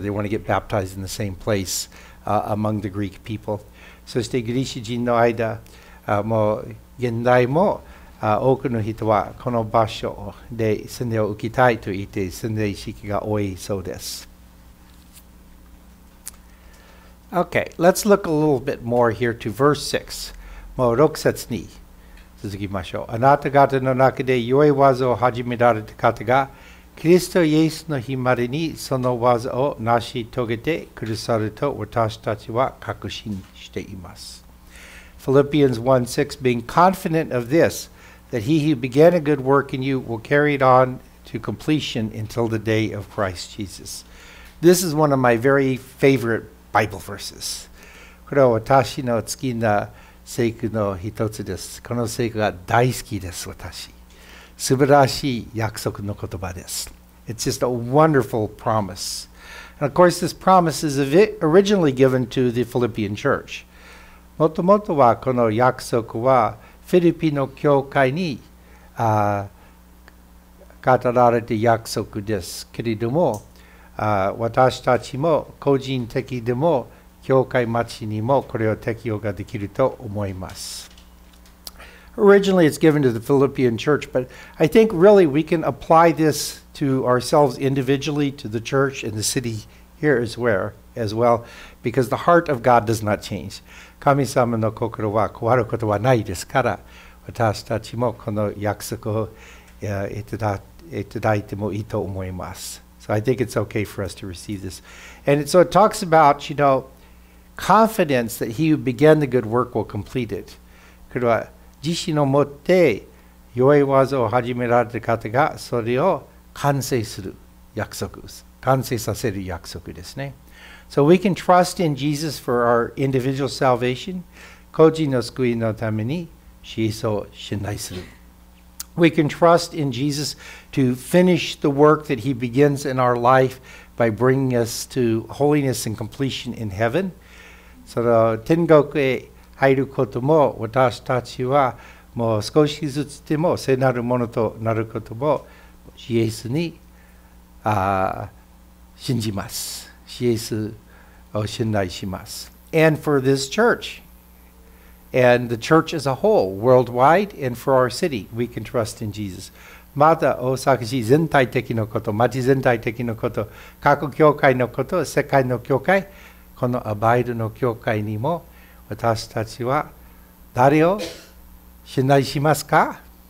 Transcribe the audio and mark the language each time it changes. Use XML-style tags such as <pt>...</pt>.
<en>They want to get baptized in the same place among the Greek people.</en> <ja>そしてギリシャ人の間、もう現代も多くの人はこの場所で洗礼を受けたいと言って洗礼式が多いそうです。</ja> <en>Okay, let's look a little bit more here to verse 6.</en> <ja>もう6節に続きましょう。あなた方の中で良い技を始められた方がキリストイエスの日までにその技を成し遂げてくださると私たちは確信しています。</ja> <en>Philippians 1:6, being confident of this, that he who began a good work in you will carry it on to completion until the day of Christ Jesus. This is one of my very favorite Bible verses.</en> <ja>これは私の好きな聖句の一つです。この聖句が大好きです、私。素晴らしい約束の言葉です。</ja> <en>It's just a wonderful promise. And of course, this promise is originally given to the Philippian church.</en> <ja>もともとはこの約束はフィリピの教会に語られた約束ですけれども、私たちも個人的でも教会町にもこれを適用ができると思います。</ja> <en>Originally, it's given to the Philippian church, but I think really we can apply this to ourselves individually, to the church and the city here as well, because the heart of God does not change.</en> <ja>神様の心は変わることはないですから、私たちもこの約束をいただいてもいいと思います。</ja> <en>So I think it's okay for us to receive this. And so it talks about, you know, confidence that he who began the good work will complete it.</en> <ja>これは自信を持って良い技を始められた方がそれを完成する約束です。完成させる約束ですね。</ja> <en>So we can trust in Jesus for our individual salvation.</en> <ja>個人の救いのために、主イエスを信頼する。</ja> <en>We can trust in Jesus to finish the work that he begins in our life by bringing us to holiness and completion in heaven.</en> <ja>その天国へ入ることも私たちはもう少しずつでも聖なるものとなることも主イエスに信じます。主イエスを信頼します。</ja> <en>And for this church. And the church as a whole, worldwide, and for our city, we can trust in Jesus.</en> <ja>また大阪市全体的のこと、町全体的のこと、各教会のこと、世界の教会、このアバイドの教会にも、私たちは誰を信頼しますか？</ja>